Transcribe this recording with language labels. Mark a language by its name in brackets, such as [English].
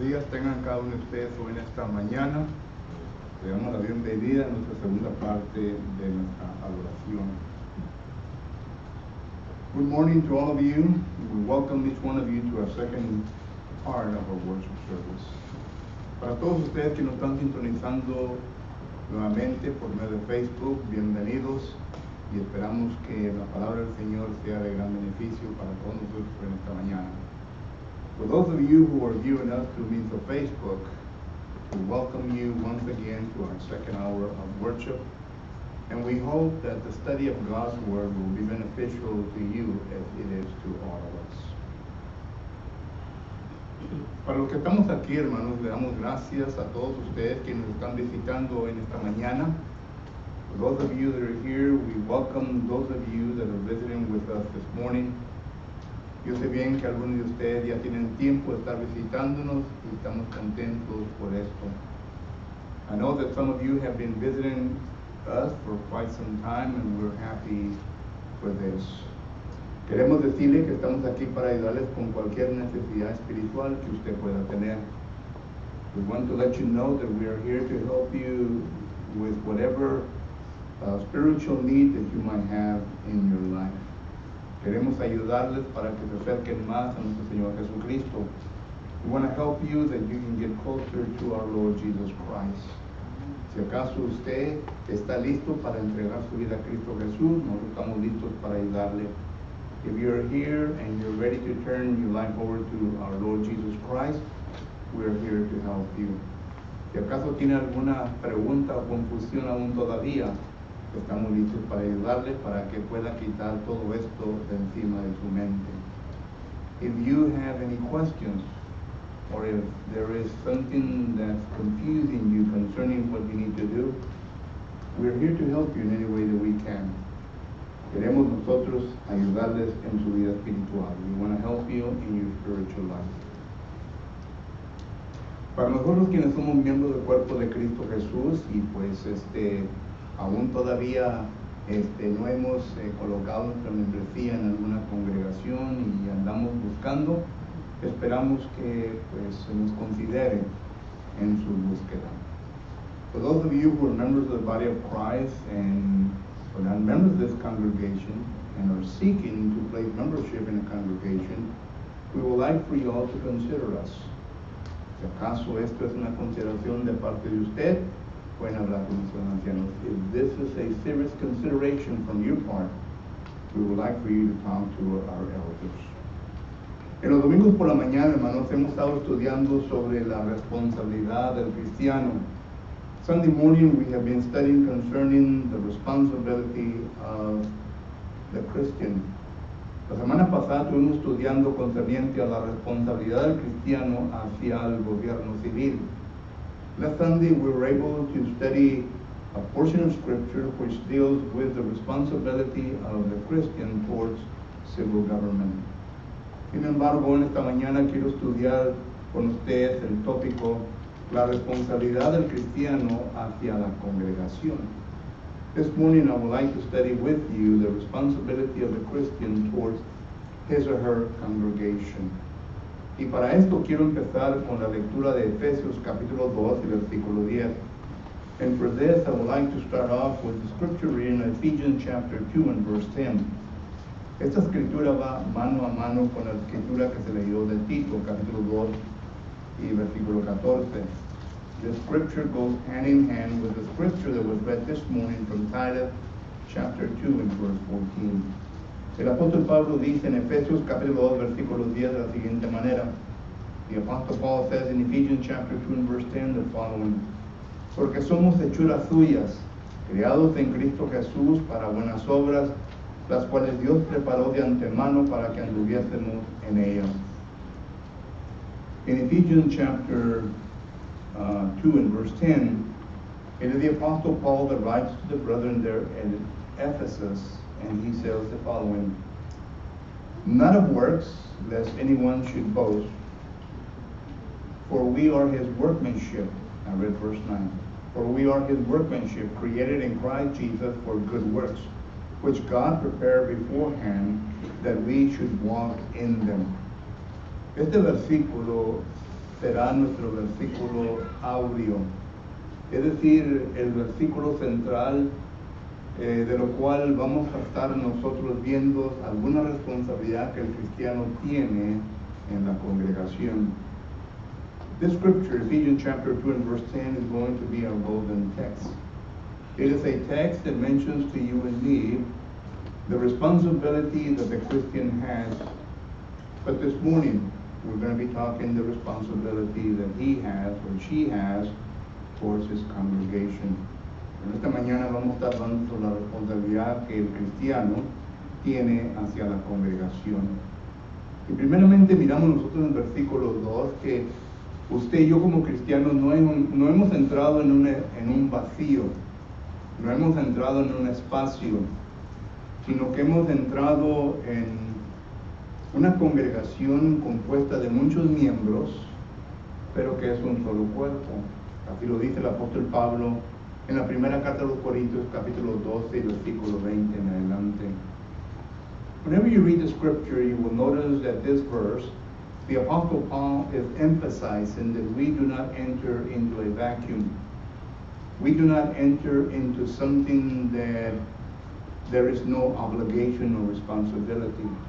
[Spanish] Tengan cada uno de ustedes hoy en esta mañana. Le damos la bienvenida a nuestra segunda parte de nuestra adoración. [English] Good morning to all of you. We welcome each one of you to our second part of our worship service. [Spanish] Para todos ustedes que nos están sintonizando nuevamente por medio de Facebook, bienvenidos y esperamos que la palabra del Señor sea de gran beneficio para todos nosotros en esta mañana. [English] For those of you who are viewing us through means of Facebook, we welcome you once again to our second hour of worship, and we hope that the study of God's Word will be beneficial to you as it is to all of us. [Spanish] Para los que estamos aquí, hermanos, le damos gracias a todos ustedes que nos están visitando en esta mañana. [English] For those of you that are here, we welcome those of you that are visiting with us this morning. [Spanish] Yo sé bien que algunos de ustedes ya tienen tiempo de estar visitándonos y estamos contentos por esto. [English] I know that some of you have been visiting us for quite some time and we're happy for this. [Spanish] Queremos decirle que estamos aquí para ayudarles con cualquier necesidad espiritual que usted pueda tener. [English] We want to let you know that we are here to help you with whatever spiritual need that you might have in your life. [Spanish] Queremos ayudarles para que se acerquen más a nuestro Señor Jesucristo. [English] We want to help you that you can get closer to our Lord Jesus Christ. [Spanish] Si acaso usted está listo para entregar su vida a Cristo Jesús, nosotros estamos listos para ayudarle. [English] If you are here and you're ready to turn your life over to our Lord Jesus Christ, we are here to help you. [Spanish] Si acaso tiene alguna pregunta o confusión aún todavía, estamos listos para ayudarle para que pueda quitar todo esto de encima de su mente. [English] If you have any questions, or if there is something that's confusing you concerning what you need to do, we're here to help you in any way that we can. [Spanish] Queremos nosotros ayudarles en su vida espiritual. [English] We want to help you in your spiritual life. [Spanish] Para nosotros quienes somos miembros del cuerpo de Cristo Jesús, y pues aún todavía no hemos colocado nuestra membresía en alguna congregación y andamos buscando, esperamos que pues se nos considere en su búsqueda. [English] For those of you who are members of the body of Christ and who are members of this congregation and are seeking to place membership in a congregation, we would like for you all to consider us. [Spanish] Si acaso esto es una consideración de parte de usted, pueden hablar con nuestros ancianos. [English] If this is a serious consideration from your part, we would like for you to talk to our elders. [Spanish] En los domingos por la mañana, hermanos, hemos estado estudiando sobre la responsabilidad del cristiano. [English] Sunday morning, we have been studying concerning the responsibility of the Christian. [Spanish] La semana pasada estuvimos estudiando concerniente a la responsabilidad del cristiano hacia el gobierno civil. [English] Last Sunday we were able to study a portion of scripture which deals with the responsibility of the Christian towards civil government. [Spanish] Sin embargo, en esta mañana quiero estudiar con ustedes el tópico la responsabilidad del cristiano hacia la congregación. [English] This morning I would like to study with you the responsibility of the Christian towards his or her congregation. [Spanish] Y para esto quiero empezar con la lectura de Efesios capítulo 2 y versículo 10. [English] And for this I would like to start off with the scripture reading of Ephesians chapter 2 and verse 10. [Spanish] Esta escritura va mano a mano con la escritura que se leyó de Tito capítulo 2 y versículo 14. [English] The scripture goes hand in hand with the scripture that was read this morning from Titus chapter 2 and verse 14. [Spanish] El apóstol Pablo dice en Efesios capítulo 2 versículo 10 de la siguiente manera. [English] The apostle Paul says in Ephesians chapter 2 and verse 10 the following. [Spanish] Porque somos hechuras suyas, creados en Cristo Jesús para buenas obras, las cuales Dios preparó de antemano para que anduviésemos en ellas. [English] In Ephesians chapter 2 and verse 10, it is the apostle Paul that writes to the brethren there in Ephesus, and he says the following, not of works, lest anyone should boast, for we are his workmanship, I read verse 9, for we are his workmanship, created in Christ Jesus for good works, which God prepared beforehand that we should walk in them. [Spanish] Este versículo será nuestro versículo audio, es decir, el versículo central de lo cual vamos a estar nosotros viendo alguna responsabilidad que el cristiano tiene en la congregación. [English] This scripture, Ephesians chapter 2 and verse 10, is going to be our golden text. It is a text that mentions to you and me the responsibility that the Christian has. But this morning, we're going to be talking the responsibility that he has or she has towards his congregation. [Spanish] En esta mañana vamos a estar hablando de la responsabilidad que el cristiano tiene hacia la congregación. Y primeramente miramos nosotros en el versículo 2 que usted y yo como cristianos no hemos entrado en un vacío. No hemos entrado en un espacio, sino que hemos entrado en una congregación compuesta de muchos miembros, pero que es un solo cuerpo. Así lo dice el apóstol Pablo en la primera carta de los Corintios, capítulo 12, versículo 20 en adelante. [English] Whenever you read the scripture, you will notice that this verse, the apostle Paul is emphasizing that we do not enter into a vacuum. We do not enter into something that there is no obligation or responsibility.